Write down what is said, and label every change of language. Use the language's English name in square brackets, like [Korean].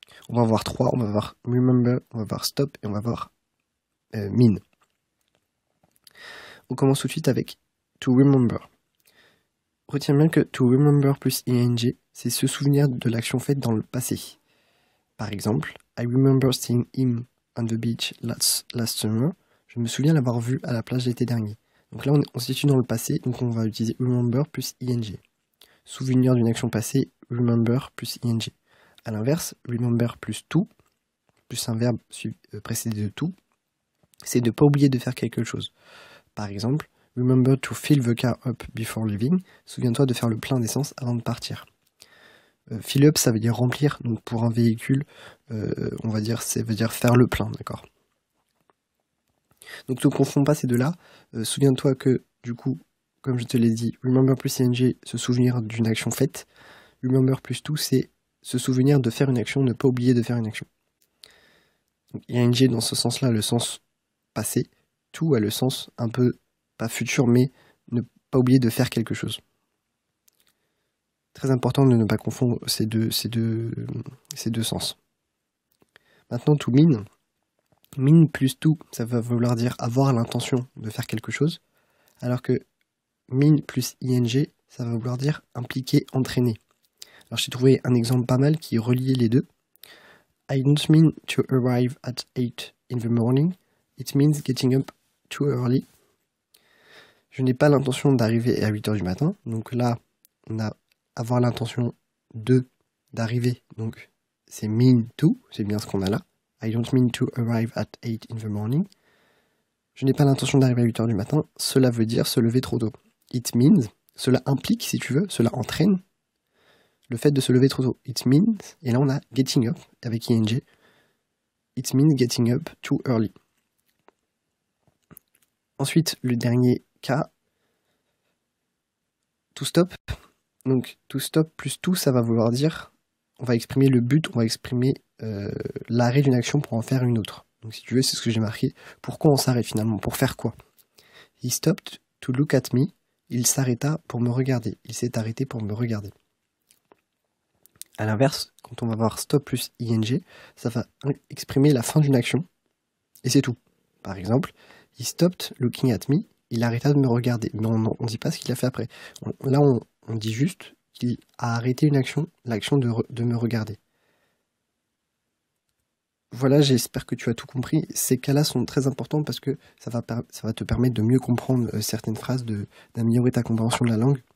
[French] On va voir trois, on va voir remember, on va voir stop et on va voir mean. On commence tout de suite avec to remember. Retiens bien que to remember plus ing, c'est se souvenir de l'action faite dans le passé. Par exemple, [English] I remember seeing him on the beach last summer. [French] Je me souviens l'avoir vu à la plage l'été dernier. Donc là, on se situe dans le passé, donc on va utiliser remember plus ing. Souvenir d'une action passée, remember plus ing. A l'inverse, remember plus to, plus un verbe précédé de to, c'est de ne pas oublier de faire quelque chose. Par exemple, [English] remember to fill the car up before leaving. [French] Souviens-toi de faire le plein d'essence avant de partir. Fill up, ça veut dire remplir. Donc pour un véhicule, on va dire, ça veut dire faire le plein, d'accord? Donc ne confonds pas ces deux-là. Souviens-toi que, du coup, comme je te l'ai dit, remember plus ing, se souvenir d'une action faite. Remember plus to, c'est se souvenir de faire une action, ne pas oublier de faire une action. Donc ing, dans ce sens-là, le sens passé. To a le sens un peu pas futur, mais ne pas oublier de faire quelque chose. Très important de ne pas confondre ces deux sens. Maintenant, to mean. Mean plus to, ça va vouloir dire avoir l'intention de faire quelque chose, alors que mean plus ing, ça va vouloir dire impliquer, entraîner. Alors j'ai trouvé un exemple pas mal qui reliait les deux. [English] I don't mean to arrive at 8 in the morning. It means getting up too early. [French] Je n'ai pas l'intention d'arriver à 8h du matin. Donc là, on a avoir l'intention d'arriver. Donc c'est mean to, c'est bien ce qu'on a là. [English] I don't mean to arrive at 8 in the morning. [French] Je n'ai pas l'intention d'arriver à 8h du matin. Cela veut dire se lever trop tôt. [English] It means, [French] cela implique si tu veux, cela entraîne le fait de se lever trop tôt. [English] It means, [French] et là on a getting up avec ing. [English] It means getting up too early. [French] Ensuite, le dernier cas, to stop. Donc, to stop plus to, ça va vouloir dire, on va exprimer le but, on va exprimer l'arrêt d'une action pour en faire une autre. Donc, si tu veux, c'est ce que j'ai marqué. Pourquoi on s'arrête finalement? Pour faire quoi? [English] He stopped to look at me. [French] Il s'arrêta pour me regarder. Il s'est arrêté pour me regarder. A l'inverse, quand on va voir stop plus ing, ça va exprimer la fin d'une action. Et c'est tout. Par exemple, [English] he stopped looking at me. [French] Il arrêta de me regarder. Non, non, on ne dit pas ce qu'il a fait après. On dit juste qu'il a arrêté une action, l'action de me regarder. Voilà, j'espère que tu as tout compris. Ces cas-là sont très importants parce que ça va te permettre de mieux comprendre certaines phrases, d'améliorer ta compréhension de la langue.